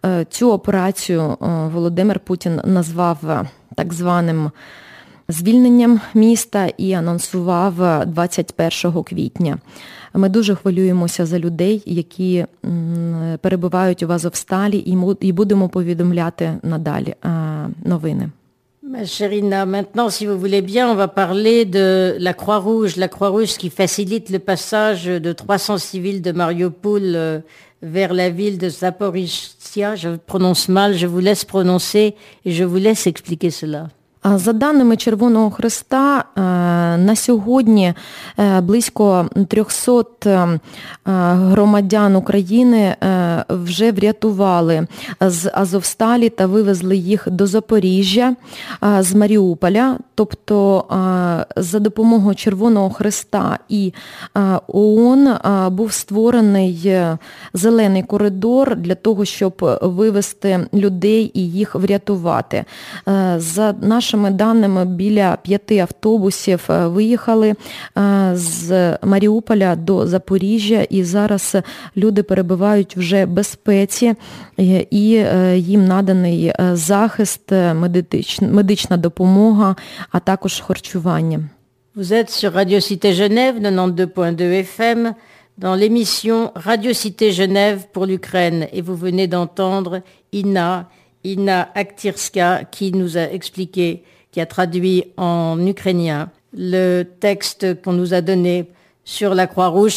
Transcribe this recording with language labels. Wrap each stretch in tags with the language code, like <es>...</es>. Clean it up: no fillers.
<uk>Цю операцію Володимир Путін назвав так званим звільненням міста і анонсував 21 квітня. Ми дуже хвилюємося за людей, які перебувають у Азовсталі, і будемо повідомляти надалі новини.</uk> <fr>Ma chère Ina, maintenant, si vous voulez bien, on va parler de la Croix-Rouge. La Croix-Rouge qui facilite le passage de 300 civils de Mariupol vers la ville de Zaporizhia. Je prononce mal, je vous laisse prononcer et je vous laisse expliquer cela.</fr> <uk>За даними Червоного Хреста, на сьогодні близько 300 громадян України вже врятували з Азовсталі та вивезли їх до Запоріжжя з Маріуполя. Тобто за допомогою Червоного Хреста і ООН був створений зелений коридор для того, щоб вивезти людей і їх врятувати. За нашими даними, біля 5 автобусів виїхали з Маріуполя до Запоріжжя, і зараз люди перебувають вже в безпеці, і їм наданий захист, медична допомога, а також харчування.</uk> <fr>Vous êtes sur Radio Cité Genève 92.2 FM dans l'émission Radio Cité Genève pour l'Ukraine et vous venez d'entendre Inna Aktirska qui nous a expliqué, qui a traduit en ukrainien le texte qu'on nous a donné sur la Croix-Rouge.</fr>